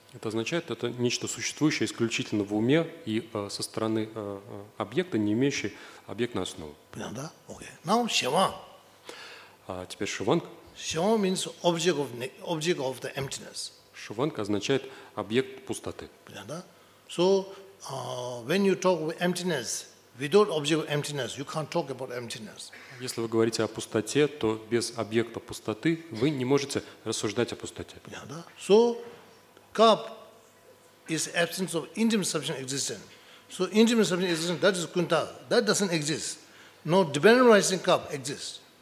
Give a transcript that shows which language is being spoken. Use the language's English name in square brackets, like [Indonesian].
[Russian] Это означает, это нечто существующее исключительно в уме и со стороны объекта, не имеющий объектной основы. Понятно? [English] Okay. Now shivang. [Russian] А теперь шиванг. [English] Shivang means object of the emptiness. [Russian] Шиванг означает объект пустоты. Понятно? [English] So when you talk about emptiness, without object of emptiness, you can't talk about emptiness. [Russian] Если вы говорите о пустоте, то без объекта пустоты вы не можете рассуждать о пустоте. Понятно? [English] So cup is absence of intimate substantial existence. So intimate substantial existence, that is kuntag. That doesn't exist. No dependent rising cup exists.